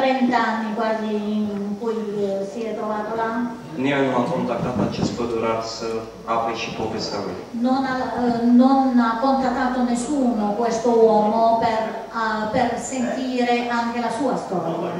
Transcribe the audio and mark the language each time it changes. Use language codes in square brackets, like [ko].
[it] 30 ani, quasi, in cui si è trovato là. [ro] Nimeni nu a contactat acest pădurar să afle și povestea lui. [it] Non ha contattato nessuno questo uomo per sentire anche la sua storia.